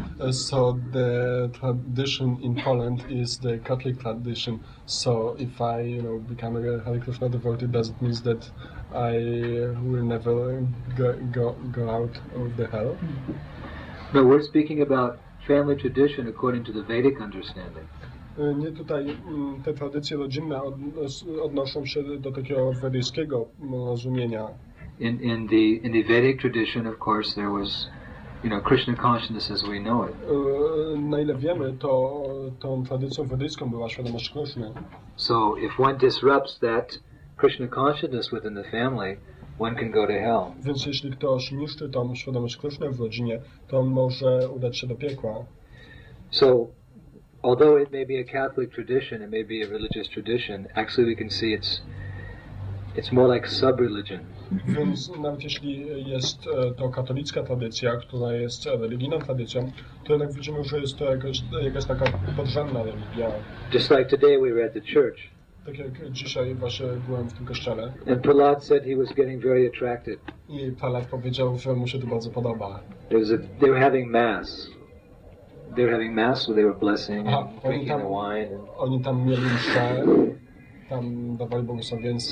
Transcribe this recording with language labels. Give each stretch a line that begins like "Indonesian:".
English: So the tradition in Poland is the Catholic tradition. So if I, you know, become a Hare Krishna devotee, does it mean that I will never go out of the hell? No, we're speaking about family tradition according to the Vedic understanding.
Polish: Nie, tutaj te tradycje rodzinne odnoszą się do takiego wedyjskiego rozumienia.
English: In the Vedic tradition, of course, there was, you know, Krishna consciousness as we know it.
Polish: Na ile wiemy, to tą tradycją wedyjską była świadomość Krishna.
English: So if one disrupts that Krishna consciousness within the family, one can go to hell.
Polish: Więc jeśli ktoś niszczy tą świadomość Krishna w rodzinie, to on może udać się do piekła.
English: So although it may be a Catholic tradition, it may be a religious tradition, actually we can see it's more like sub-religion.
Polish: Więc nawet jeśli jest to katolicka tradycja, która jest religijną tradycją, to jednak widzimy, że jest to jakaś taka podrzędna religia.
English: Just like today we were at the church.
Polish: Tak jak dzisiaj właśnie byłem w tym kościele.
English: And Prahlad said he was getting very attracted.
Polish: I Prahlad powiedział, że mu się to bardzo podoba.
English: They were having mass. They were having mass where they were blessing and drinking the wine.
Polish: Oni tam mieli mszę, tam dawali błogosławieństwo.